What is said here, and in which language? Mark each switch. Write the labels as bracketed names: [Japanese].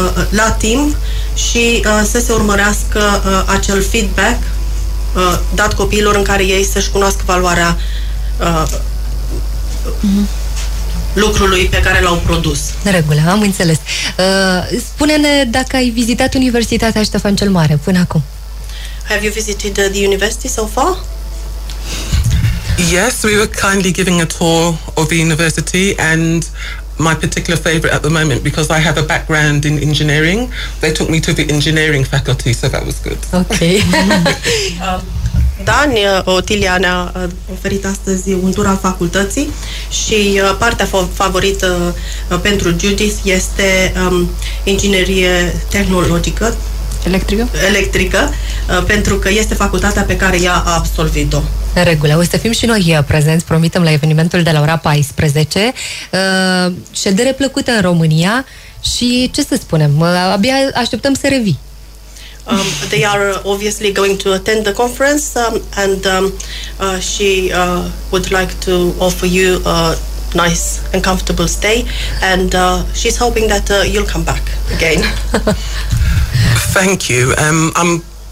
[Romanian] la timp, și să se urmărească acel feedback dat copiilor în care ei să-și cunoască valoarea lucrului pe care l-au produs. De regulă, am înțeles. Spune-ne dacă ai vizitat Universitatea Ștefan cel Mare până acum. [English] Have you visited the university so far? Yes, we were kindly giving a tour of the university, and my particular favorite at the moment, because I have a background in engineering, they took me to the engineering faculty, so that was good. Okay. [Romanian] Dani, Otilia ne-a oferit astăzi un tur al facultății și partea favorită pentru Judith este inginerie tehnologică. Electrică, pentru că este facultatea pe care ea a absolvit-o. În regulă, o să fim și noi prezenți, promitem, la evenimentul de la ora 14. Ședere plăcută în România și ce să spunem, abia așteptăm să revii. [English] They are obviously going to attend the conference and she would like to offer you a nice and comfortable stay, and she's hoping that you'll come back again. Thank you. I'm